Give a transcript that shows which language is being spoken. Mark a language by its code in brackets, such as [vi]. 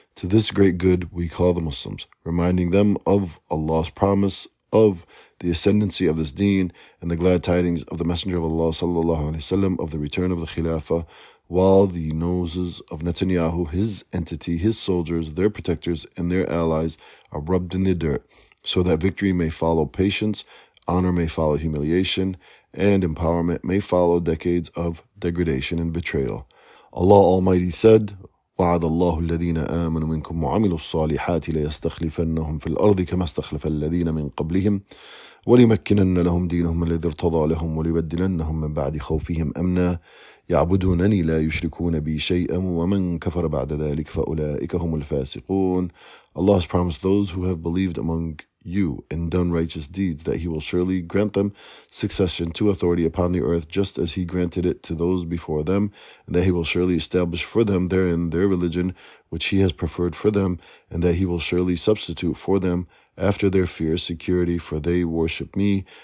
[en] To this great good we call the Muslims, reminding them of Allah's promise of the ascendancy of this deen and the glad tidings of the Messenger of Allah sallallahu alaihi wasallam of the return of the Khilafah, while the noses of Netanyahu, his entity, his soldiers, their protectors, and their allies are rubbed in the dirt, so that victory may follow patience, honor may follow humiliation, and empowerment may follow decades of degradation and betrayal. Allah Almighty said, [ar] وعد الله الذين آمنوا منكم وعملوا الصالحات ليستخلفنهم في الأرض كما استخلف الذين من قبلهم وليمكنن لهم دينهم الذي ارتضى لهم وليبدلنهم من بعد خوفهم أمنا يعبدونني لا يشركون بي شيئا ومن كفر بعد ذلك فأولئك هم الفاسقون. [en] Allah has promised those who have believed among you and done righteous deeds that he will surely grant them succession to authority upon the earth, just as he granted it to those before them, and that he will surely establish for them therein their religion, which he has preferred for them, and that he will surely substitute for them after their fear security, for they worship me,